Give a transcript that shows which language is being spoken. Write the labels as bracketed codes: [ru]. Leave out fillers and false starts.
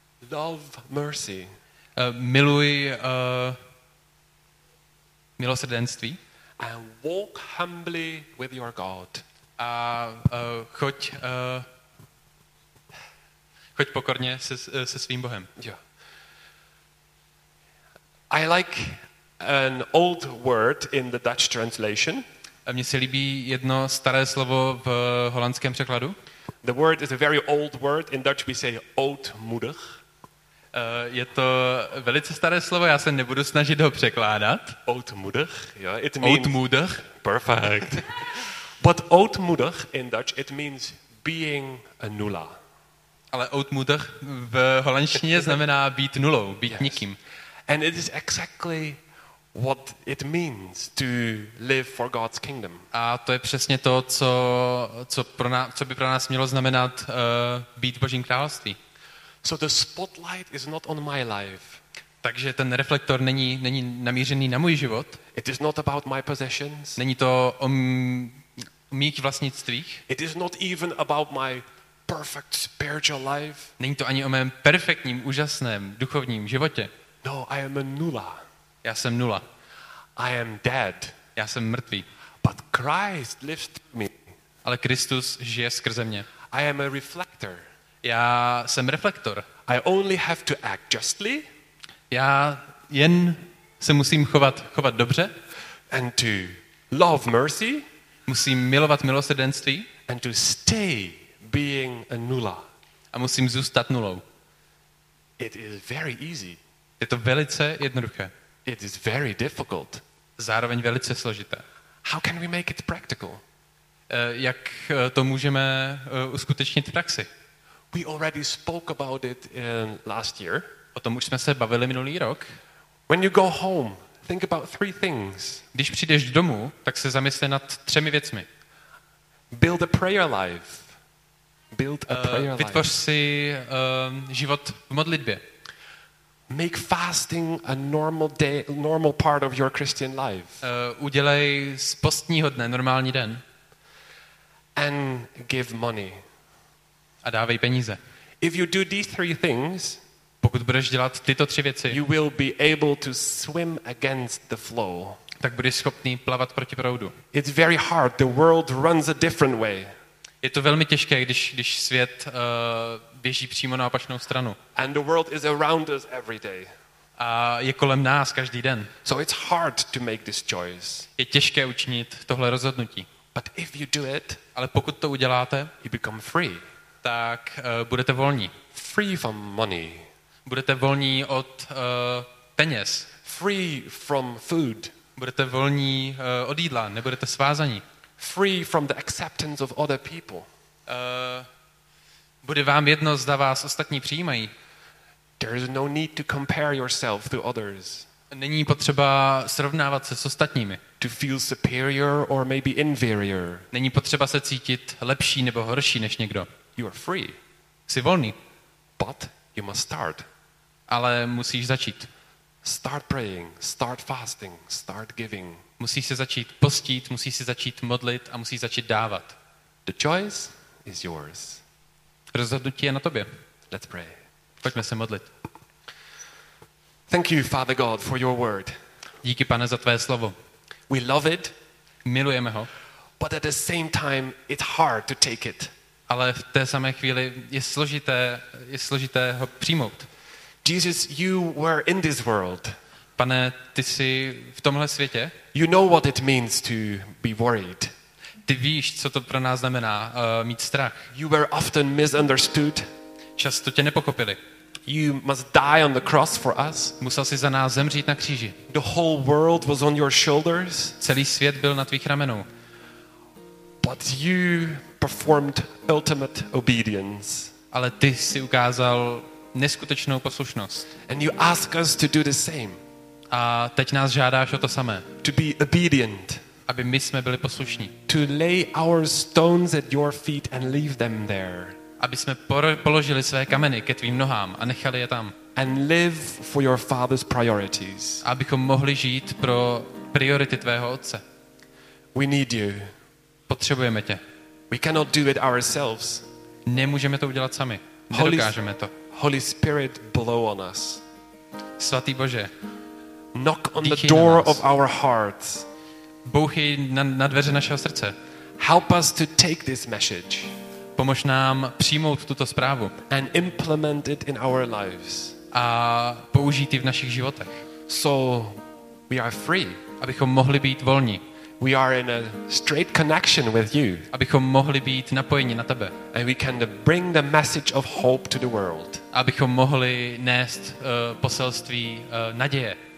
[en] Love mercy. [cs] Miluj milosrdenství. [en] And walk humbly with your God. [cs] A choď pokorně se svým Bohem. [en] Yeah. I like an old word in the Dutch translation. [cs] A mně se líbí jedno staré slovo v holandském překladu. [en] The word is a very old word. In Dutch we say ootmoedig. [cs] Je to velice staré slovo, já se nebudu snažit ho překládat. [en] Ootmoedig. Yeah, it means ootmoedig. Perfect. But ootmoedig in Dutch it means being a nula. [cs] Ale ootmoedig v holandštině znamená být nulou, být yes. Nikým. [en] And it is exactly what it means to live for God's kingdom. [cs] A to je přesně to, co by pro nás mělo znamenat být Božím království. [en] So the spotlight is not on my life. [cs] Takže ten reflektor není namířený na můj život. [en] It is not about my possessions. [cs] Není to o mých vlastnictvích. [en] It is not even about my perfect spiritual life. [cs] Není to ani o mém perfektním, úžasném duchovním životě. [en] No, I am a nula. [cs] Já jsem nula. [en] I am dead. [cs] Já jsem mrtvý. [en] But Christ lives through me. [cs] Ale Kristus žije skrze mě. [en] I am a reflector. [cs] Já jsem reflektor. [en] I only have to act justly. [cs] Já jen se musím chovat dobře. [en] And to love mercy. [cs] Musím milovat milosrdenství. [en] And to stay being a nula. [cs] A musím zůstat nulou. [en] It is very easy. [cs] Je to velice jednoduché. [en] It is very difficult. [cs] Zároveň velice složité. [en] How can we make it practical? [cs] Jak to můžeme uskutečnit v praxi? [en] We already spoke about it last year. [cs] O tom už jsme se bavili minulý rok. [en] When you go home, think about three things. [cs] Když přijdeš domů, tak se zamysli nad třemi věcmi. [en] Build a prayer life. Build a prayer life. [cs] Vytvoř si život v modlitbě. [en] Make fasting a normal day, normal part of your Christian life. [cs] Udělej z postního dne normální den. [en] And give money. [cs] A dávej peníze. [en] If you do these three things, [cs] pokud budeš dělat tyto tři věci, [en] you will be able to swim against the flow. [cs] Tak budeš schopný plavat proti proudu. [en] It's very hard. The world runs a different way. [cs] Je to velmi těžké, když svět běží přímo na opačnou stranu. [en] And the world is around us every day. [cs] A je kolem nás každý den. [en] So it's hard to make this choice. [cs] Je těžké učinit tohle rozhodnutí. [en] But if you do it, [cs] ale pokud to uděláte, [en] you become free. [cs] Tak budete volní. [en] Free from money. [cs] Budete volní od peněz. [en] Free from food. [cs] Budete volní od jídla, nebudete svázaní. [en] Free from the acceptance of other people. [cs] Bude vám jedno, zda vás ostatní přijímají. [en] There is no need to compare yourself to others. [cs] Není potřeba srovnávat se s ostatními. [en] To feel superior or maybe inferior. [cs] Není potřeba se cítit lepší nebo horší než někdo. [en] You are free. [cs] Jsi volný. [en] But you must start. [cs] Ale musíš začít. [en] Start praying, start fasting, start giving. [cs] Musíš se začít postit, musíš se začít modlit a musíš začít dávat. [en] The choice is yours. [cs] Rozhodnutí je na tobě. [en] Let's pray. [cs] Pojďme se modlit. [en] Thank you, Father God, for your word. [cs] Díky, Pane, za tvé slovo. [en] We love it. [cs] Milujeme ho. [en] But at the same time, it's hard to take it. [cs] Ale v té samé chvíli je složité ho přijmout. [en] Jesus, you were in this world. [cs] Pane, ty jsi v tomhle světě. [en] You know what it means to be worried. [cs] Ty víš, co to pro nás znamená mít strach. [en] You were often misunderstood. [cs] Často tě nepochopili. [en] You must die on the cross for us. [cs] Musel jsi za nás zemřít na kříži. [en] The whole world was on your shoulders. [cs] Celý svět byl na tvých ramenou. [en] But you performed ultimate obedience. [cs] Ale ty jsi ukázal neskutečnou poslušnost. [en] And you ask us to do the same. [cs] A teď nás žádáš o to samé. [en] To be obedient. [cs] Aby my jsme byli poslušní. [en] To lay our stones at your feet and leave them there. [cs] Aby jsme položili své kameny ke tvým nohám a nechali je tam. [en] And live for your father's priorities. [cs] Abychom mohli žít pro priority tvého otce. [en] We need you. [cs] Potřebujeme tě. [en] We cannot do it ourselves. [cs] Nemůžeme to udělat sami. Nedokážeme to. [en] Holy Spirit, blow on us. [cs] Svatý Bože, [en] knock on the door of our hearts. [cs] Bouchej na dveře našeho srdce. [en] Help us to take this message. [cs] Pomož nám přijmout tuto zprávu. [en] And implement it in our lives. [cs] A použít ji v našich životech. [en] So we are free. [cs] Abychom mohli být volní. [en] We are in a straight connection with you. [cs] Abychom mohli být napojeni na tebe. [en] And we can bring the message of hope to the world. [cs] Abychom mohli nést poselství naděje.